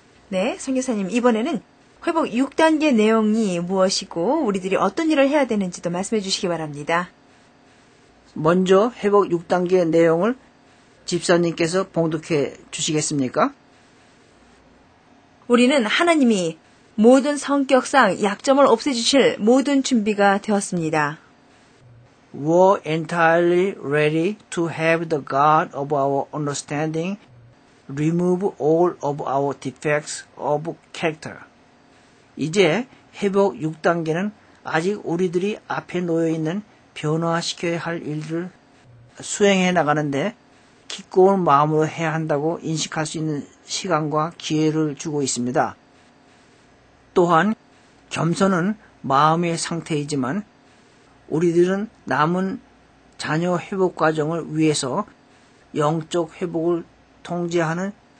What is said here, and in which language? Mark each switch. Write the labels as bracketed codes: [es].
[ko] 네, 선교사님, 이번에는 회복 6단계 내용이 무엇이고 우리들이 어떤 일을 해야 되는지도 말씀해 주시기 바랍니다. 먼저 회복 6단계 내용을 집사님께서 봉독해 주시겠습니까? 우리는 하나님이 모든 성격상 약점을 없애주실 모든 준비가 되었습니다. [en] We're entirely ready to have the God of our understanding remove all of our defects of character. [ko] 이제 회복 6단계는 아직 우리들이 앞에 놓여있는 변화시켜야 할 일들을 수행해 나가는데 기꺼운 마음으로 해야 한다고 인식할 수 있는 시간과 기회를 주고 있습니다. 또한 겸손은 마음의 상태이지만 우리들은 남은 자녀 회복 과정을 위해서 영적 회복을 통제하는